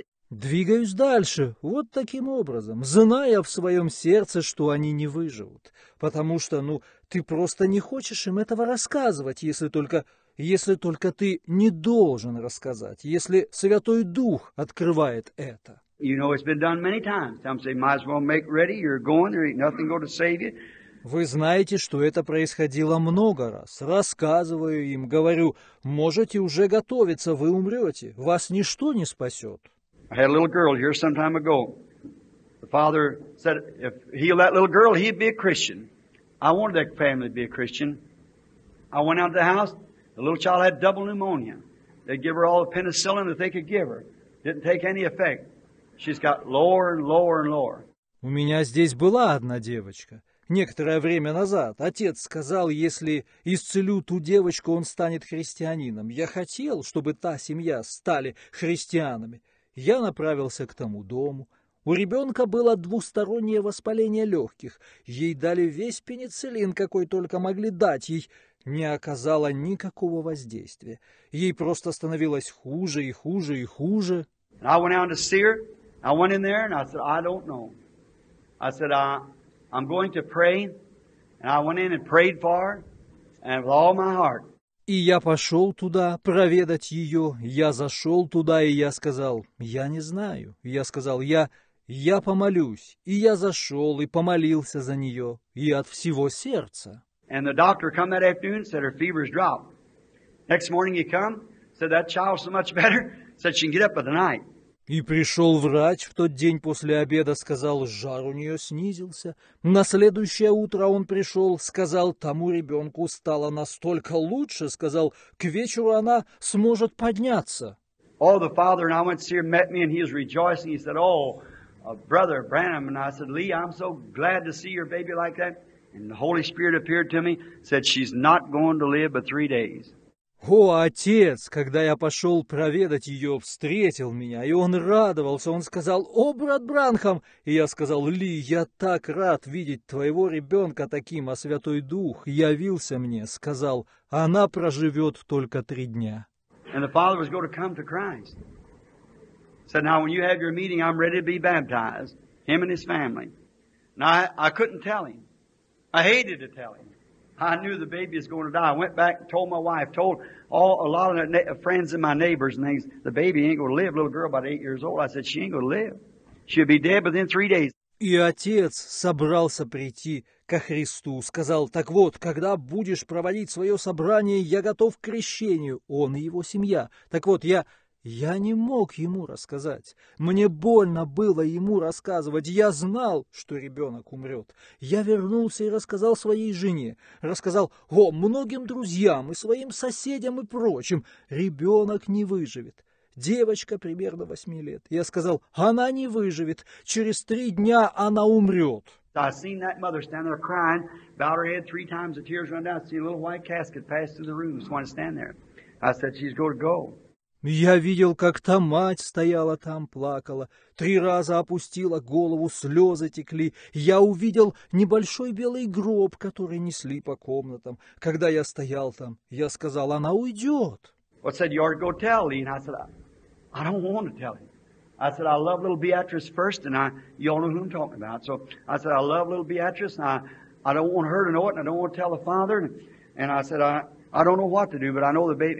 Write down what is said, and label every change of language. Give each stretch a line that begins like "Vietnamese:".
Russian: Двигаюсь дальше, вот таким образом, зная в своем сердце, что они не выживут. Потому что, ну, ты просто не хочешь им этого рассказывать, если только ты не должен рассказать, если Святой Дух открывает это.
English: You know, it's been done many times. Some say, might as well make ready, you're going, there ain't nothing going to save you.
Russian: Вы знаете, что это происходило много раз. Рассказываю им, говорю, можете уже готовиться, вы умрете, вас ничто не спасет.
English: I had a little girl here some time ago. The father said, if he healed that little girl, he'd be a Christian. I wanted that family to be a Christian. I went out of the house. The little child had double pneumonia. They gave her all the penicillin that they could give her. Didn't take any effect. She's got lower and lower and lower.
Russian: У меня здесь была одна девочка. Некоторое время назад отец сказал, если исцелю ту девочку, он станет христианином. Я хотел, чтобы та семья стали христианами. Я направился к тому дому. У ребенка было двустороннее воспаление легких. Ей дали весь пенициллин, какой только могли дать. Ей не оказало никакого воздействия. Ей просто становилось хуже и хуже и хуже.
English: I went out to see her. I went in there and I said, I don't know. I said, I'm going to pray. And I went in and prayed for her. And with all my heart.
Russian: И я пошел туда проведать ее. Я зашел туда, и я сказал, я не знаю. Я сказал, я помолюсь. И я зашел и помолился за нее. И от всего сердца.
English: And the doctor come that afternoon, said her fever's dropped. Next morning he come, said that child's so much better, said she can get up by the night.
Russian: И пришел врач в тот день после обеда, сказал, жар у нее снизился. На следующее утро он пришел, сказал, тому ребенку стало настолько лучше, сказал, к вечеру она сможет подняться.
English: Oh, the father and I went to see him, met me, and he was rejoicing. He said, oh, brother Branham, and I said, Lee, I'm so glad to see your baby like that. And the Holy Spirit appeared to me, said, she's not going to live but 3 days.
Russian: О, отец, когда я пошел проведать ее, встретил меня, и он радовался, он сказал, о, брат Бранхам, и я сказал, Ли, я так рад видеть твоего ребенка таким, а Святой Дух явился мне, сказал, она проживет только 3 дня.
English: And the father was going to come to Christ. Said, now when you have your meeting, I'm ready to be baptized, him and his family. Now I couldn't tell him. I hated to tell him. I knew the baby was going to die. I went back and told my wife, told all a lot of friends and my neighbors and things, the baby ain't going to live, little girl about 8 years old. I said, she ain't going to live. She'll be dead within 3 days.
Russian: И отец собрался прийти ко Христу, сказал: «Так вот, когда будешь проводить свое собрание, я готов к крещению, он и его семья». Так вот, я не мог ему рассказать. Мне больно было ему рассказывать. Я знал, что ребенок умрет. Я вернулся и рассказал своей жене. Рассказал, многим друзьям и своим соседям и прочим. Ребенок не выживет. Девочка примерно 8 лет. Я сказал, она не выживет. Через 3 дня она умрет.
English: I seen that mother stand there crying, bowed her head 3 times, the tears run down. I see a little white casket pass through the room. Just want to stand there. I said, she's going to go.
Russian: Я видел, как та мать стояла там, плакала, 3 раза опустила голову, слезы текли. Я увидел небольшой белый гроб, который несли по комнатам. Когда я стоял там, я сказал, она уйдет.
English: I said, you ought to go tell Lena. I said, I don't want to tell him. I said, I love little Beatrice first, and you all know who I'm talking about. So I said, I love little Beatrice, and I don't want her to know it, and I don't want to tell the father. And I said, I don't know what to do, but I know the baby.